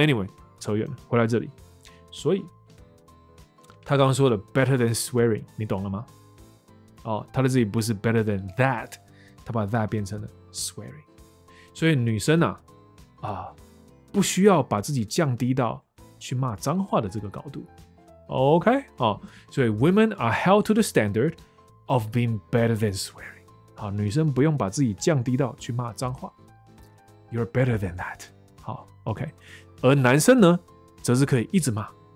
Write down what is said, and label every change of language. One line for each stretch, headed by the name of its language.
Chinese: Anyway， 扯远了，回来这里。所以他刚刚说的
English: better than swearing，
Chinese: 你懂了吗？哦，他的这里不是
English: better than that，
Chinese: 他把 that 变成了 swearing。所以女生 不需要把自己降低到去骂脏话的这个高度。
English: OK?、
Chinese: 哦、所以
English: women are held to the standard of being better than swearing.
Chinese: 好，女生不用把自己降低到去骂脏话。
English: You're better than that.
Chinese: 好
English: ,OK。
Chinese: 而男生呢则是可以一直骂。